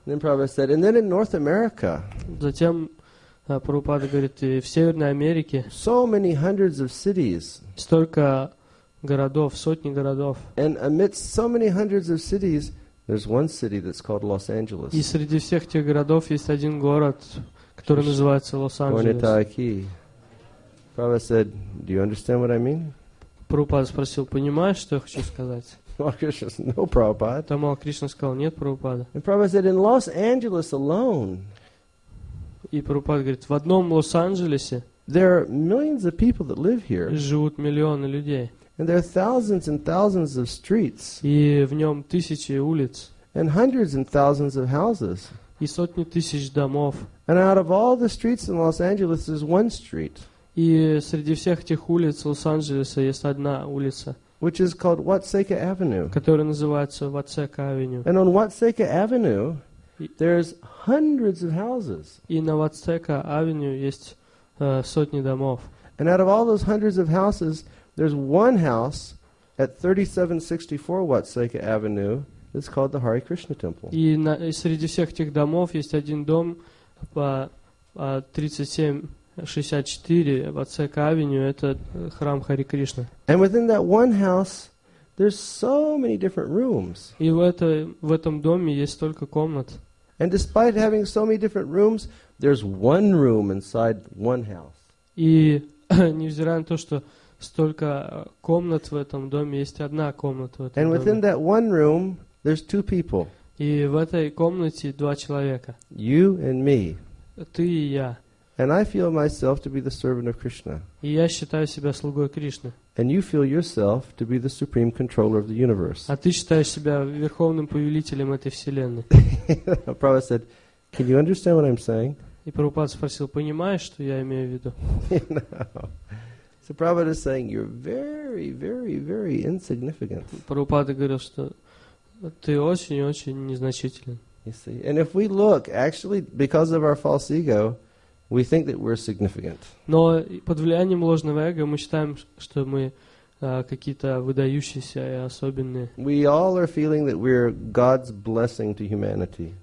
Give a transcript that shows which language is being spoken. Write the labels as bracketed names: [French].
[English] Then Prabhupada said, and then in North America. [Russian] Затем Прабхупада говорит, и в Северной Америке. [English] So many hundreds of cities. [Russian] Столько городов, сотни городов. [English] And amidst so many hundreds of cities, there's one city that's called Los Angeles. [Russian] И среди всех тех городов есть один город, который называется Лос-Анджелес. [English] Prabhupada said, "Do you understand what I mean?" [Russian] Прабхупада спросил, понимаешь, что я хочу сказать? [English] Махарадж said, "No, Prabhupada." [Russian] Тамал Кришна сказал, нет, Прабхупада. [English] And Prabhupada said, "In Los Angeles alone." [Russian] И Прабхупада говорит, в одном Лос-Анджелесе. [English] There are millions of people that live here. [Russian] Живут миллионы людей. [English] And there are thousands and thousands of streets. [Russian] И в нем тысячи улиц. [English] And hundreds and thousands of houses. [Russian] И сотни тысяч домов. [English] And out of all the streets in Los Angeles, there's one street. [Russian] И среди всех этих улиц Лос-Анджелеса есть одна улица. [English] Which is called Watseka Avenue. [Russian] Которая называется Watseka Avenue. [English] And on Watseka Avenue, there's hundreds of houses. [Russian] И на Watseka Avenue есть сотни домов. [English] And out of all those hundreds of houses, there's one house at 3764 Watseka Avenue. It's called the Hare Krishna Temple. [Russian] И среди всех этих домов есть один дом по 3764 Watseka Avenue. Это храм Хари Кришна. [English] And within that one house, there's so many different rooms. [Russian] И в этом доме есть столько комнат. [English] And despite having so many different rooms, there's one room inside one house. [Russian] И невзирая на то, что столько комнат в этом доме, есть одна комната в этом доме. [English] And within that one room, there's two people. [Russian] И в этой комнате два человека. [English] You and me. [Russian] Ты и я. [English] And I feel myself to be the servant of Krishna. [Russian] И я считаю себя слугой Кришны. [English] And you feel yourself to be the supreme controller of the universe. [Russian] А ты считаешь себя верховным повелителем этой вселенной. [English] Prabhupada said, can you understand what I'm saying? [Russian] И Прабхупада спросил, понимаешь, что я имею в виду? [English] So Prabhupada is saying, you're very, very, very insignificant. [Russian] Прабхупада говорил, что ты очень-очень незначителен. [English] You see? And if we look, actually, because of our false ego, we think that we're significant. [Russian] Но под влиянием ложного эго мы считаем, что мы какие-то выдающиеся и особенные. [English] We all are feeling that we're God's blessing to humanity.